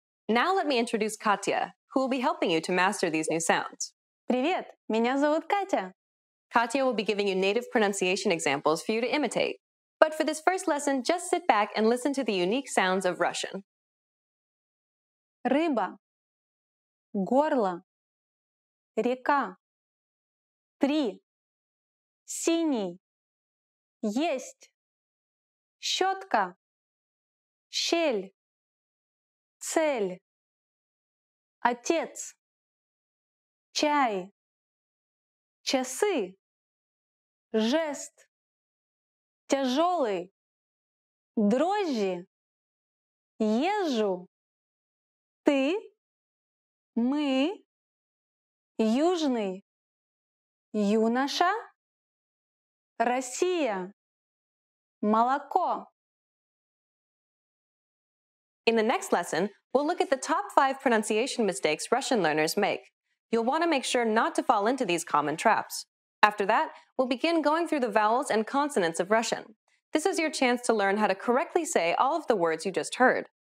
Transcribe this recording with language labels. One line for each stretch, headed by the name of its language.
English: Now let me introduce Katya, who will be helping you to master these new sounds.
Russian: Привет, меня зовут Катя.
English: Katya will be giving you native pronunciation examples for you to imitate. But for this first lesson, just sit back and listen to the unique sounds of Russian.
Russian: Рыба, горло, река, три, синий, есть, щетка, щель, цель, отец, чай, часы, жест, тяжелый, дрожжи, езжу, ты, мы, южный, юноша, Россия, молоко.
English: In the next lesson, we'll look at the top 5 pronunciation mistakes Russian learners make. You'll want to make sure not to fall into these common traps. After that, we'll begin going through the vowels and consonants of Russian. This is your chance to learn how to correctly say all of the words you just heard.